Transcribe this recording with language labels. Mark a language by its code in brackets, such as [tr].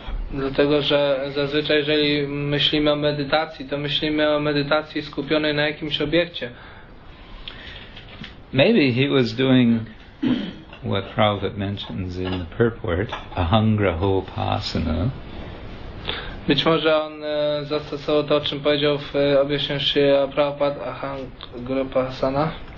[pl] Dlatego, że zazwyczaj, jeżeli myślimy o medytacji, to myślimy o medytacji skupionej na jakimś obiekcie. [en] Maybe he was doing what Prabhupada mentions in the purport, ahangraho-pasana. [pl] Być może on zastosował to, o czym powiedział w objaśnieniu się Prabhupada, ahangraho-pasana.